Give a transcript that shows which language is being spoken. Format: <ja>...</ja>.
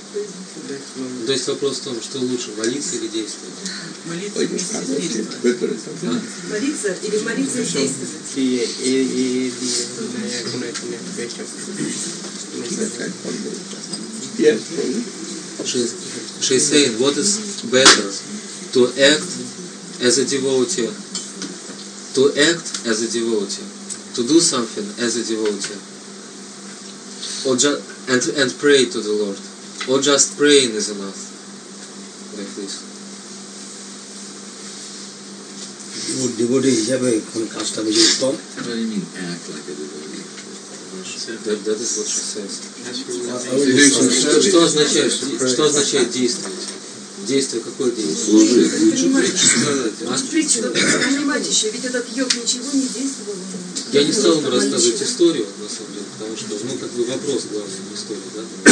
<ru>Кто из них? То есть вопрос в том, что лучше, молиться или действовать? Молиться или действовать? Молиться или молиться и действовать?</ru> <en>She's saying, what is better, to act as a devotee, to act as a devotee, to do something as a devotee, or just and pray to the Lord, or just praying is enough, like this. Devotee, is there any caste of devotee? What do you mean, act like a devotee? That is what she says.</en> <ru>Что означает действовать? Действие какое понимать еще, ведь этот йог ничего не действовал. Я не стал бы рассказывать историю, на самом деле, потому что, ну, как бы вопрос главный в истории, да?</ru>